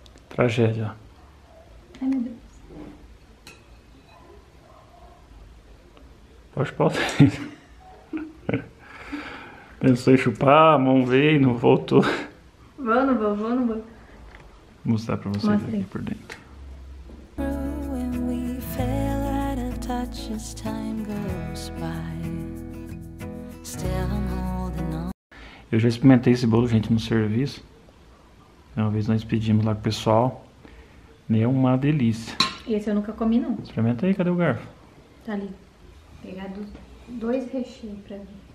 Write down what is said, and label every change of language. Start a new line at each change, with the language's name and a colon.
Portuguese: Tragédia. Ai, meu Deus. Pode pausar. Pensou em chupar, a mão veio, não voltou. Vou. Vou mostrar pra vocês. Mostra aqui por dentro.
English: When we fell out of touch as time goes by.
Portuguese: Eu já experimentei esse bolo, gente, no serviço. Uma vez nós pedimos lá com o pessoal. É uma delícia. Esse eu nunca comi, não. Experimenta aí, cadê o garfo? Tá ali. Vou pegar dois recheios pra mim.